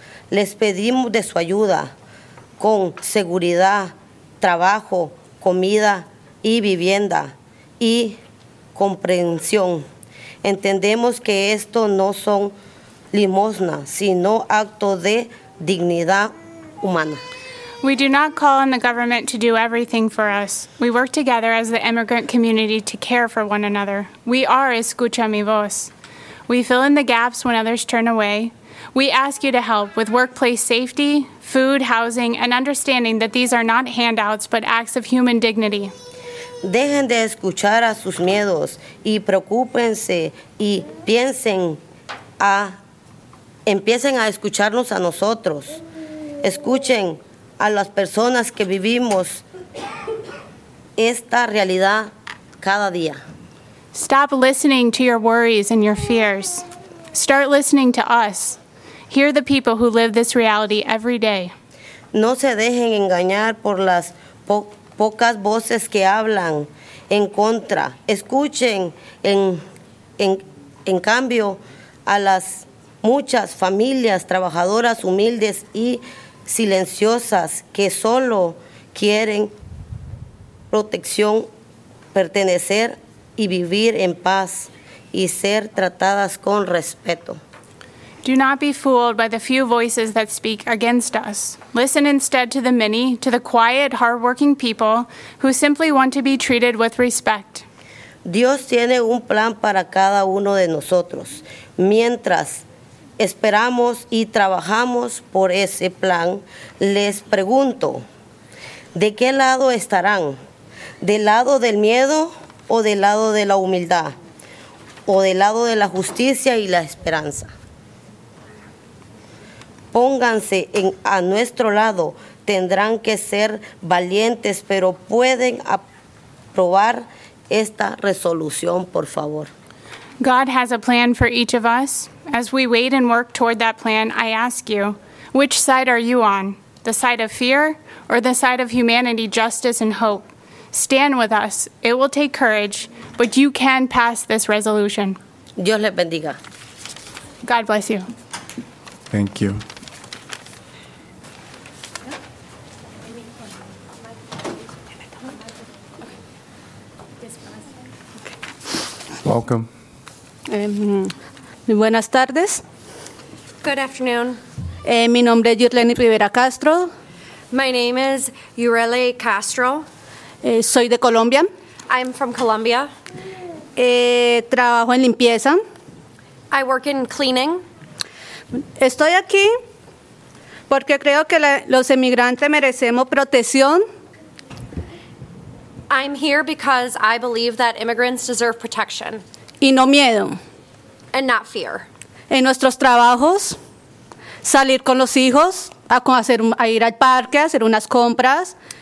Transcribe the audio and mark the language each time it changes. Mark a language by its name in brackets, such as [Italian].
[Spanish] Les pedimos de su ayuda con seguridad, trabajo, comida y vivienda y comprensión. Entendemos que esto no son limosna, sino acto de dignidad humana. [English] We do not call on the government to do everything for us. We work together as the immigrant community to care for one another. We are Escucha Mi Voz. We fill in the gaps when others turn away. We ask you to help with workplace safety, food, housing, and understanding that these are not handouts but acts of human dignity. [Spanish] Dejen de escuchar a sus miedos y preocúpense y empiecen a escucharnos a nosotros. Escuchen a las personas que vivimos esta realidad cada día. [English] Stop listening to your worries and your fears. Start listening to us. Hear the people who live this reality every day. [Spanish] No se dejen engañar por las pocas voces que hablan en contra. Escuchen en cambio a las muchas familias trabajadoras humildes y silenciosas que solo quieren protección, pertenecer y vivir en paz y ser tratadas con respeto. [English] Do not be fooled by the few voices that speak against us. Listen instead to the many, to the quiet, hardworking people who simply want to be treated with respect. [Spanish] Dios tiene un plan para cada uno de nosotros. Mientras esperamos y trabajamos por ese plan, les pregunto, ¿de qué lado estarán? ¿Del lado del miedo o del lado de la humildad? ¿O del lado de la justicia y la esperanza? Pónganse a nuestro lado. Tendrán que ser valientes, pero pueden aprobar esta resolución, por favor. [English] God has a plan for each of us. As we wait and work toward that plan, I ask you, which side are you on? the side of fear, or the side of humanity, justice, and hope. Stand with us. It will take courage, but you can pass this resolution. [Spanish] Dios les bendiga. [English] God bless you. Thank you. Welcome. [Spanish] Buenas tardes. [English] Good afternoon. [Spanish] Mi nombre es Yurleni Rivera Castro. [English] My name is Yurele Castro. [Spanish] Soy de Colombia. [English] I'm from Colombia. [Spanish] Trabajo en limpieza. [English] I work in cleaning. [Spanish] Estoy aquí porque creo que los emigrantes merecemos protección. [English] I'm here because I believe that immigrants deserve protection. [Spanish] Y no miedo. [English] And not fear. [Spanish] En nuestros trabajos, salir con los hijos, a ir al parque, a hacer unas compras.